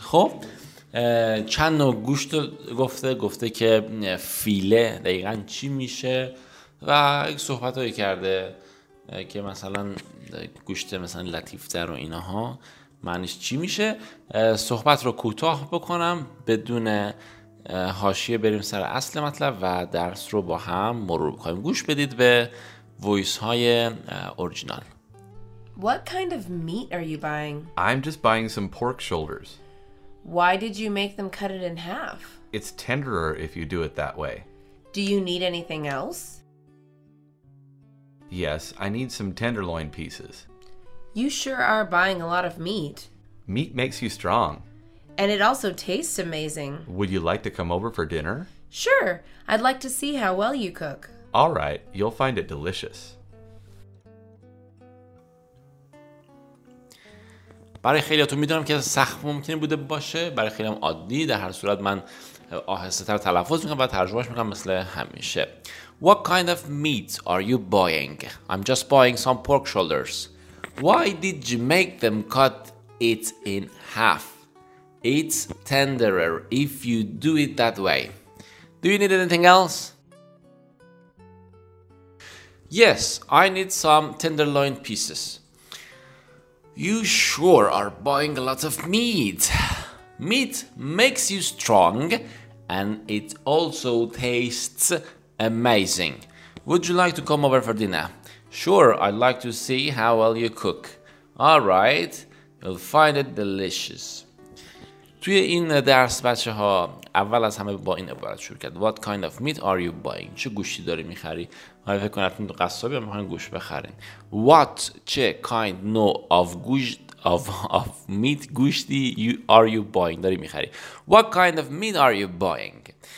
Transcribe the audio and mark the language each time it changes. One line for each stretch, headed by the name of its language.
Persian: خب چند نوع گوشت گفته که فیله دقیقاً چی میشه و یک صحبت هایی کرده که مثلا گوشت مثلا لطیفتر و اینها معنیش چی میشه. صحبت رو کوتاه بکنم بدون حاشیه بریم سر اصل مطلب و درس رو با هم مرور بکنیم. گوش بدید به وایس های اورجینال.
English: What kind of meat are you buying? I'm just buying some pork shoulders. Why did you make them cut it in half? It's tenderer if you do it that way. Do you need anything else? Yes, I need some tenderloin pieces. You sure are buying a lot of meat. Meat makes you strong. And it also tastes amazing. Would you like to come over for dinner? Sure, I'd like to see how well you cook. All right, you'll find it delicious.
Persian: برای خیلیاتون میدونم که سخت ممکنه بوده باشه، برای خیلی هم عادی. در هر صورت من آهسته تر تلفظ میکنم و ترجمهش میکنم مثل همیشه.
English: What kind of meat are you buying? I'm just buying some pork shoulders. Why did you make them cut it in half? It's tenderer if you do it that way. Do you need anything else? Yes, I need some tenderloin pieces. You sure are buying a lot of meat. Meat makes you strong and it also tastes amazing. Would you like to come over for dinner? Sure, I'd like to see how well you cook. All right, you'll find it delicious.
Persian: توی این درس بچه ها اول از همه با این عبارت شروع کرد.
English: What kind of meat are you buying?
Persian: چه گوشتی داری میخری؟ ما فکر کنیم تو قصابی هم میخواییم گوشت بخرین.
English: What,
Persian: چه
English: kind, no, of meat
Persian: گوشتی
English: you are you buying
Persian: داری میخری؟
English: What kind of meat are you buying?